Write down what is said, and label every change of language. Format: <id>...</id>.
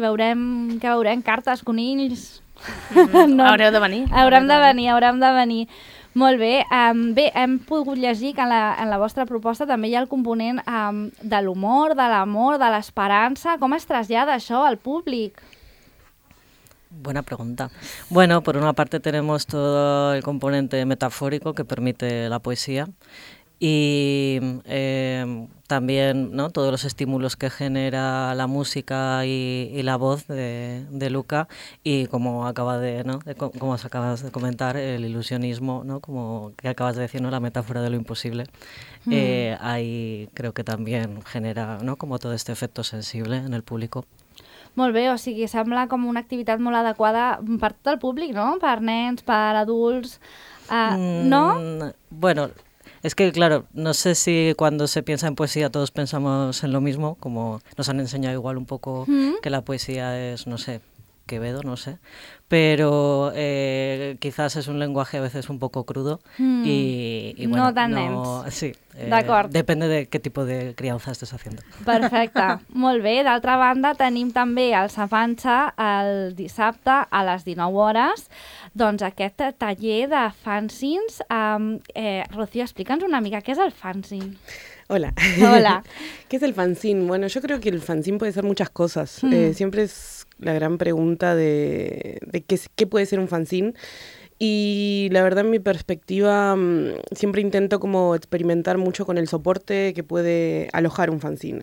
<ca>Veurem cartes, conills... No. Haureu de venir. Haurem de venir. Molt bé. Bé, hem pogut llegir que en la vostra proposta també hi ha el component de l'humor, de l'amor, de l'esperança. Com es trasllada això al públic?</ca> <es>Buena pregunta. Bueno, por una parte tenemos todo el componente metafórico que permite la poesía y también, ¿no?, todos los estímulos que genera la música y la voz de Luca y, como acaba de, ¿no?, como os acabas de comentar, el ilusionismo, ¿no?, como que acabas de decir, ¿no?, la metáfora de lo imposible. Ahí creo que también genera, ¿no?, como todo este efecto sensible en el público.</es> <ca>Molt bé, o sigui, sembla com una activitat molt adequada per tot el públic, no? Per nens, per adults, no?</ca> <es>Bueno, es que, claro, no sé si cuando se piensa en poesía todos pensamos en lo mismo, como nos han enseñado igual un poco que la poesía es, no sé, Quevedo, no sé, pero quizás es un lenguaje a veces un poco crudo y bueno,</es> <ca>no tan nens. No,</ca> <es>sí, depende de qué tipo de crianza estés haciendo.</es> <ca>Perfecte, molt bé. D'altra banda, tenim també el Sapanxa el dissabte a les 19 hores, doncs aquest taller de fanzines. Rocío, explica'ns una mica què és el fanzine.</ca> <es>Hola. Hola. ¿Qué es el fanzine? Bueno, yo creo que el fanzine puede ser muchas cosas. Siempre es la gran pregunta de qué puede ser un fanzine. Y la verdad, en mi perspectiva, siempre intento como experimentar mucho con el soporte que puede alojar un fanzine.</es>